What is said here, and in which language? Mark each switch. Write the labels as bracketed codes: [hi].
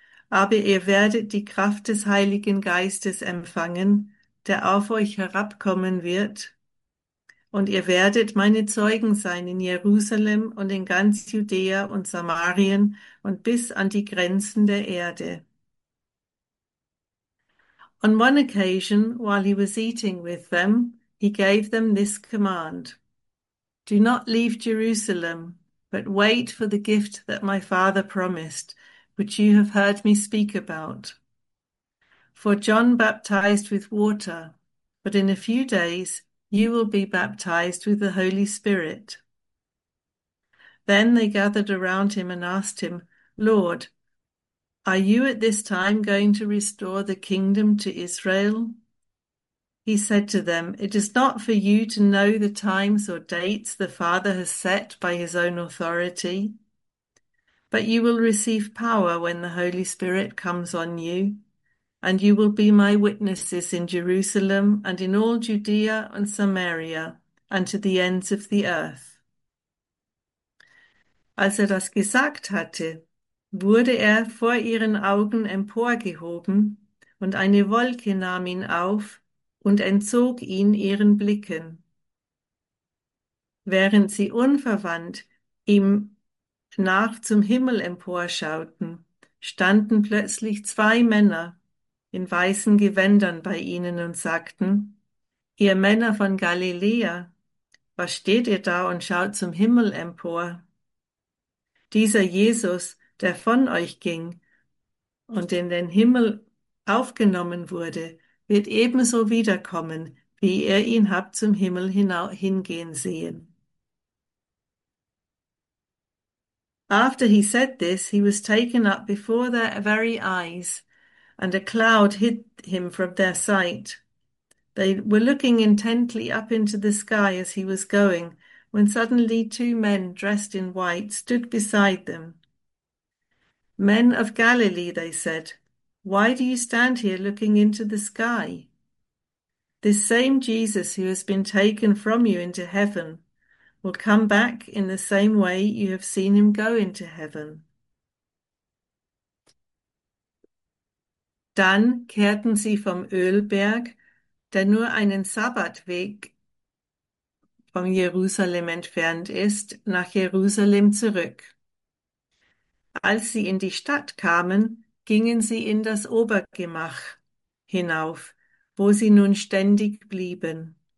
[de] Aber ihr werdet die Kraft des Heiligen Geistes empfangen, der auf euch herabkommen wird, und ihr werdet meine Zeugen sein in Jerusalem und in ganz Judäa und Samarien und bis an die Grenzen der Erde. [en] On one occasion, while he was eating with them, he gave them this command. Do not leave Jerusalem, but wait for the gift that my father promised, which you have heard me speak about. For John baptized with water, but in a few days, you will be baptized with the Holy Spirit. Then they gathered around him and asked him, Lord, are you at this time going to restore the kingdom to Israel? He said to them, It is not for you to know the times or dates the Father has set by his own authority, but you will receive power when the Holy Spirit comes on you. And you will be my witnesses in Jerusalem and in all Judea and Samaria and to the ends of the earth. [de] Als er das gesagt hatte, wurde er vor ihren Augen emporgehoben und eine Wolke nahm ihn auf und entzog ihn ihren Blicken. Während sie unverwandt ihm nach zum Himmel emporschauten, standen plötzlich zwei Männer in weißen Gewändern bei ihnen und sagten, Ihr Männer von Galiläa, was steht ihr da und schaut zum Himmel empor? Dieser Jesus, der von euch ging und in den Himmel aufgenommen wurde, wird ebenso wiederkommen, wie ihr ihn habt zum Himmel hingehen sehen. [en] After he said this, he was taken up before their very eyes. And a cloud hid him from their sight. They were looking intently up into the sky as he was going, when suddenly two men dressed in white stood beside them. Men of Galilee, they said, why do you stand here looking into the sky? This same Jesus who has been taken from you into heaven will come back in the same way you have seen him go into heaven. [de] Dann kehrten sie vom Ölberg, der nur einen Sabbatweg von Jerusalem entfernt ist, nach Jerusalem zurück. Als sie in die Stadt kamen, gingen sie in das Obergemach hinauf, wo sie nun ständig blieben.